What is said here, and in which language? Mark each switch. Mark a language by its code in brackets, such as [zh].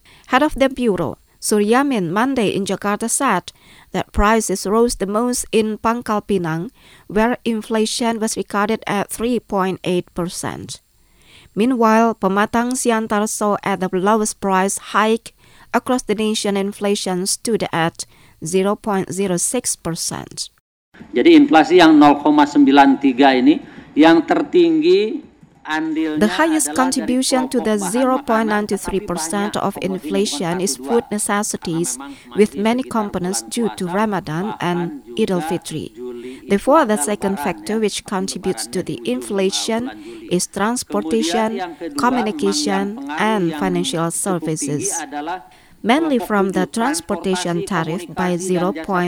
[en] Head of the Bureau, Suryamin, Monday in Jakarta said that prices rose the most in Pangkal Pinang, where inflation was recorded at 3.8%. Meanwhile, Pematang Siantar saw at the lowest price hike across the nation inflation stood at 0.06%. [id] Jadi inflasi yang 0,93 ini yang tertinggi. [en] The highest contribution to the 0.93% of inflation is food necessities, with many components due to Ramadan and Eid al-Fitri. Therefore, the second factor which contributes to the inflation is transportation, communication, and financial services, mainly from the transportation tariff by 0.35%.